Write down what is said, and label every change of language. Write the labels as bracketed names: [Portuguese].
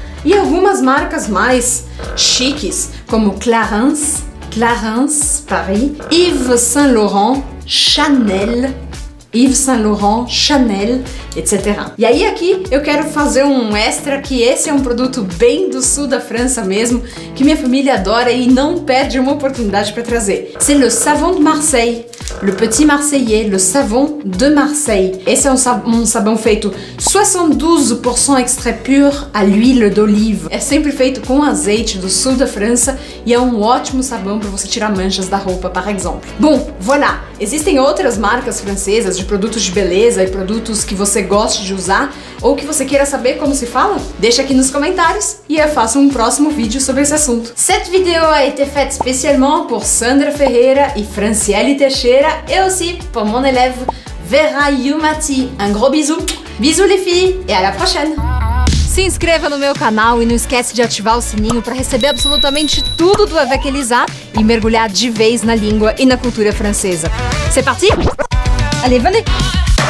[Portuguese] E algumas marcas mais chiques, como Clarins, Clarins, Paris, Yves Saint Laurent, Chanel, Yves Saint Laurent, Chanel, etc. E aí aqui eu quero fazer um extra que esse é um produto bem do sul da França mesmo, que minha família adora e não perde uma oportunidade para trazer. [French] C'est le savon de Marseille, le petit marseillais, le savon de Marseille. [Portuguese] Esse é um sabão feito 72% [French] extrait pur à l'huile d'olive. [Portuguese] É sempre feito com azeite do sul da França e é um ótimo sabão para você tirar manchas da roupa, por exemplo. Bom, voilà! Existem outras marcas francesas de produtos de beleza e produtos que você goste de usar ou que você queira saber como se fala? Deixa aqui nos comentários e eu faço um próximo vídeo sobre esse assunto. [French] Cette vidéo a été faite spécialement pour Sandra Ferreira e Franciele Teixeira et aussi pour mon élève Vera Yumati. Un gros bisou! Bisous les filles et à la prochaine! [Portuguese] Se inscreva no meu canal e não esquece de ativar o sininho para receber absolutamente tudo do Avec Elisa e mergulhar de vez na língua e na cultura francesa. [French] C'est parti? Allez, venez!